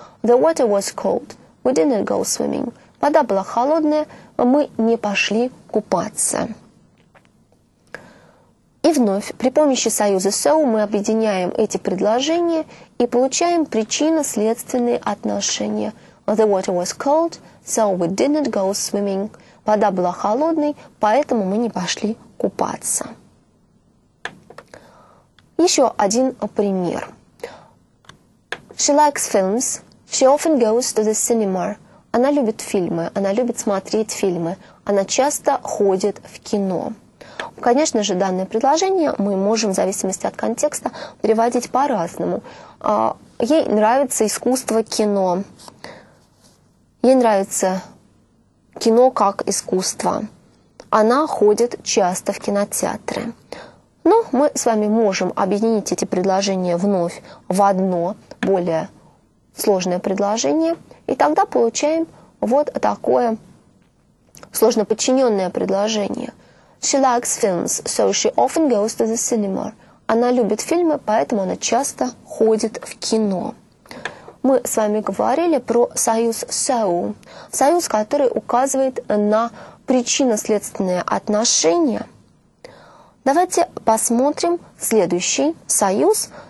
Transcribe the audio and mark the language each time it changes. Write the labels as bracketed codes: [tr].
[en] The water was cold. We didn't go swimming. [ru] Вода была холодная, мы не пошли купаться. И вновь, при помощи союза so мы объединяем эти предложения и получаем причинно-следственные отношения. [en] The water was cold, so we didn't go swimming. [ru] Вода была холодной, поэтому мы не пошли купаться. Еще один пример. [en] She likes films. She often goes to the cinema. [ru] Она любит фильмы, она любит смотреть фильмы, она часто ходит в кино. Конечно же, данное предложение мы можем, в зависимости от контекста, приводить по-разному. Ей нравится искусство кино. Ей нравится кино как искусство. Она ходит часто в кинотеатры. Но мы с вами можем объединить эти предложения вновь в одно более сложное предложение. И тогда получаем вот такое сложно подчиненное предложение. [en] She likes films, so she often goes to the cinema. [ru] Она любит фильмы, поэтому она часто ходит в кино. Мы с вами говорили про союз so. Союз, который указывает на причинно-следственные отношения. Давайте посмотрим следующий союз.